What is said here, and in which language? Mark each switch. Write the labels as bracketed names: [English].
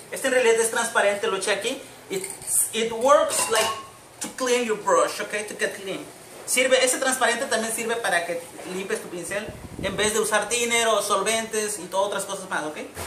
[Spanish] Este en realidad es transparente, lo eché aquí. [English] It works like to clean your brush, okay? To get clean. [Spanish] Sirve, este transparente también sirve para que limpies tu pincel en vez de usar thinner o solventes y todas otras cosas más, okay?